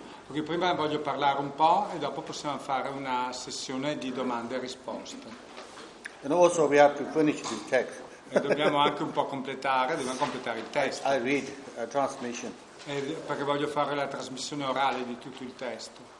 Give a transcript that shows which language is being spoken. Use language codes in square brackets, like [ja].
[it] Ok, prima voglio parlare un po' e dopo possiamo fare una sessione di domande e risposte. [en] And also we have to finish the text. [it] E dobbiamo anche un po' completare, dobbiamo completare il testo. [en] I read a transmission. [it] E perché voglio fare la trasmissione orale di tutto il testo.